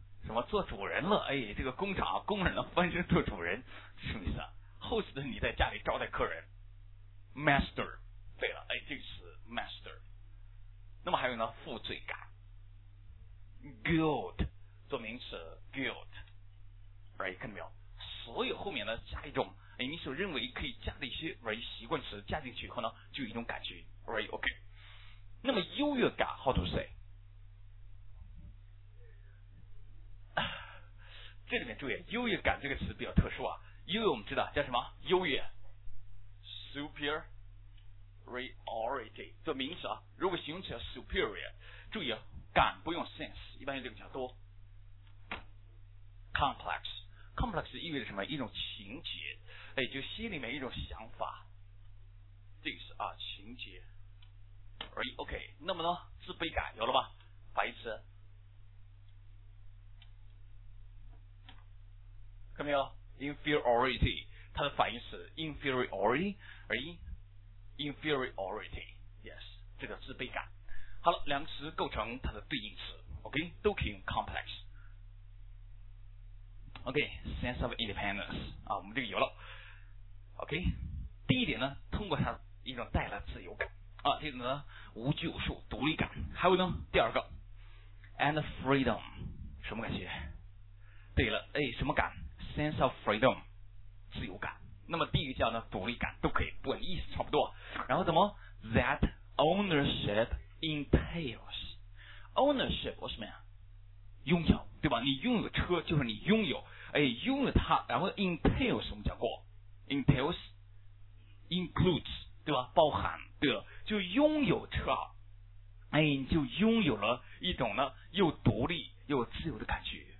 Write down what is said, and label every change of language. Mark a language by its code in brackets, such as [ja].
[zh] 什么做主人了？哎，这个工厂工人的翻身做主人，什么意思啊 ？host 的你在家里招待客人 ，master， 对了，哎，这个词 master。那么还有呢，负罪感 ，guilt， 做名词 guilt， right？ 看到没有？所有后面呢加一种，哎，你所认为可以加的一些 right 习惯词加进去以后呢，就有一种感觉 right OK。那么优越感 how to say？这里面注意优越感这个词比较特殊啊，优越我们知道叫什么优越 superiority 做名词啊，如果形容词 superior， 注意感不用 sense， 一般用这个比较多 complex 意味着什么？一种情节，哎，就心里面一种想法，这个是啊情节 OK。那么呢自卑感有了吧，白痴看到没有 ？Inferiority， 它的反义词 inferiority， 而 inferiority， yes， 这个自卑感。好了，两个词构成它的对应词 ，OK， 都可以用 complex。 OK， [en] sense of independence [zh] 啊，我们这个有了。 OK， 第一点呢，通过它一种带来自由感啊，这种呢无拘无束独立感。还有呢，第二个 ， [en] and freedom， [zh] 什么感觉？对了，哎，什么感 ？ [en] sense of freedom， [zh] 自由感。那么第一个叫呢独立感都可以，不管意思差不多。然后怎么 ？ [en] That ownership entails ownership [zh] 什么呀？拥有，对吧？你拥有车就是你拥有，哎，拥有它。然后 entails 什么叫过 ？entails includes 对吧？包含，对了，就拥有车，哎，你就拥有了一种呢又独立又自由的感觉。